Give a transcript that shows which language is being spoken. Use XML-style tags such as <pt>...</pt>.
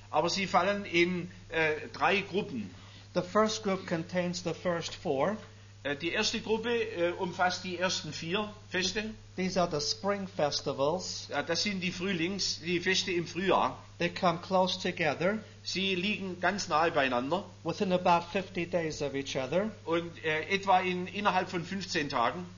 <de>Aber sie fallen in drei Gruppen.</de> <en>The first group contains the first four.</en> <de>Die erste Gruppe umfasst die ersten vier Feste.</de> <en>These are the spring festivals.</en> <de>Ja, das sind die Feste im Frühjahr.</de> <en>They come close together.</en> <de>Sie liegen ganz nahe beieinander.</de> <en>Within about 50 days of each other.</en> <de>Und etwa innerhalb von 15 Tagen.</de>